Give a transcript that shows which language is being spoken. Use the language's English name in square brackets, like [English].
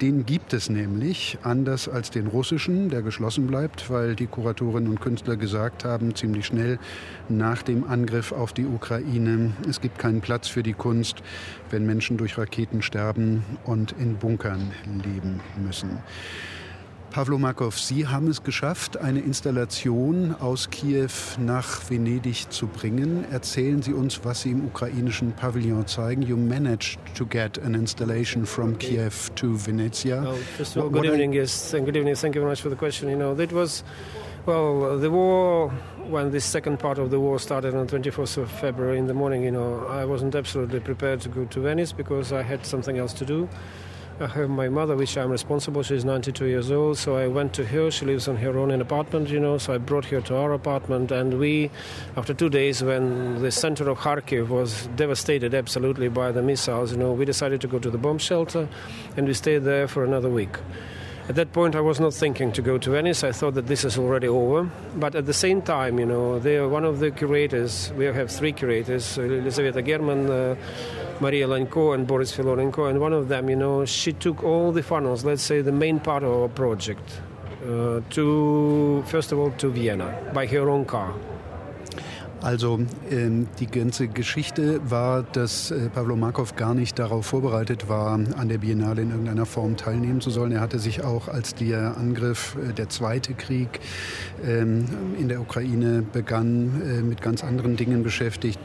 [German] Den gibt es nämlich, anders als den russischen, der geschlossen bleibt, weil die Kuratorinnen und Künstler gesagt haben, ziemlich schnell nach dem Angriff auf die Ukraine, es gibt keinen Platz für die Kunst, wenn Menschen durch Raketen sterben und in Bunkern leben müssen. Pavlo Markov, Sie haben es geschafft, eine Installation aus Kiew nach Venedig zu bringen. Erzählen Sie uns, was Sie im ukrainischen Pavillon zeigen. [English] You managed to get an installation from Kiev to Venezia. Good evening. Thank you very much for the question. You know, that was, well, the war, when the second part of the war started on 24th of February in the morning, you know, I wasn't absolutely prepared to go to Venice because I had something else to do. I have my mother, which I'm responsible. She's 92 years old. So I went to her. She lives on her own in apartment, you know. So I brought her to our apartment. And we, after 2 days, when the center of Kharkiv was devastated absolutely by the missiles, you know, we decided to go to the bomb shelter. And we stayed there for another week. At that point, I was not thinking to go to Venice. I thought that this is already over. But at the same time, you know, they are one of the curators. We have three curators, Elisaveta German, Maria Lanko and Boris Filonenko, and one of them, you know, she took all the funnels, let's say the main part of our project, to Vienna by her own car. [German] Also die ganze Geschichte war, dass Pavlo Markov gar nicht darauf vorbereitet war, an der Biennale in irgendeiner Form teilnehmen zu sollen. Er hatte sich auch, als der Angriff, der zweite Krieg in der Ukraine begann, mit ganz anderen Dingen beschäftigt.